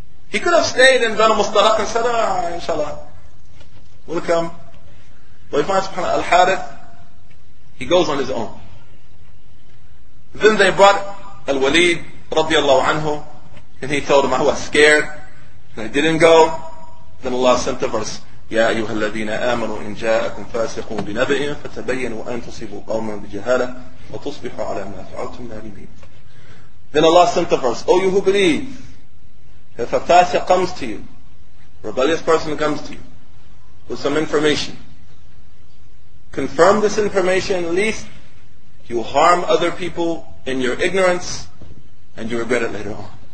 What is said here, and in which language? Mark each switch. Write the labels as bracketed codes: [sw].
[en] He could have stayed in Banu Mustalik and said, inshallah, we'll come. But we find subhanAllah, Al-Harith, he goes on his own. Then they brought Al-Walid radiallahu anhu, and he told him, I was scared. I didn't go. Then Allah sent the verse, [ar] يا أيها الذين آمنوا إن جاءكم فاسق بنبأ فتبينوا أن تصيبوا قوما بجهالة وتصبحوا على ما فعلتم نادمين. [en] Then Allah sent the verse, O you who believe, if a fasiq comes to you, rebellious person comes to you with some information, confirm this information, lest you harm other people in your ignorance and you regret it later on.